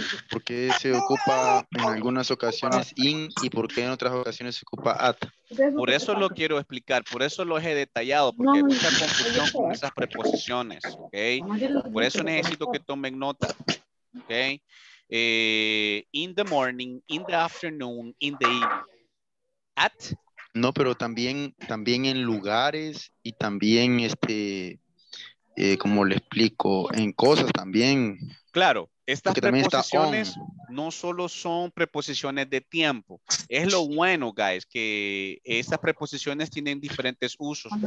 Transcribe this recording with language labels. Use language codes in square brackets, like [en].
[es] ¿Por qué se ocupa en algunas ocasiones in y por qué en otras ocasiones se ocupa at? Por eso lo quiero explicar, por eso lo he detallado, porque hay mucha confusión con esas preposiciones, ¿ok? Por eso necesito que tomen nota, ¿ok? [en] In the morning, in the afternoon, in the evening. At? [es] No, pero también en lugares y también como le explico, en cosas también. Claro, estas preposiciones no solo son preposiciones de tiempo. Es lo bueno, guys, que estas preposiciones tienen diferentes usos.